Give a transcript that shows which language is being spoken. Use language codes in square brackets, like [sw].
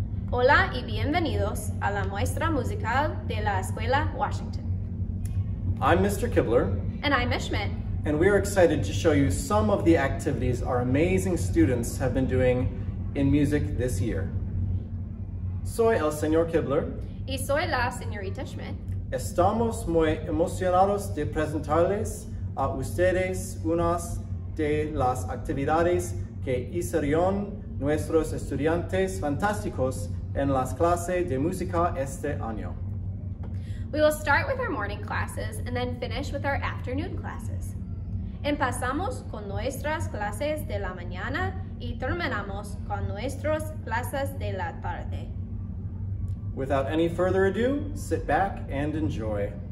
[es] Hola y bienvenidos a la muestra musical de la Escuela Washington. [en] I'm Mr. Kibler. And I'm Ms. Schmidt. And we are excited to show you some of the activities our amazing students have been doing in music this year. [es] Soy el señor Kibler. Y soy la señorita Schmidt. Estamos muy emocionados de presentarles a ustedes unas de las actividades que hicieron nuestros estudiantes fantásticos en las clases de música este año. [en] We will start with our morning classes and then finish with our afternoon classes. [es] Empezamos con nuestras clases de la mañana y terminamos con nuestras clases de la tarde. [en] Without any further ado, sit back and enjoy.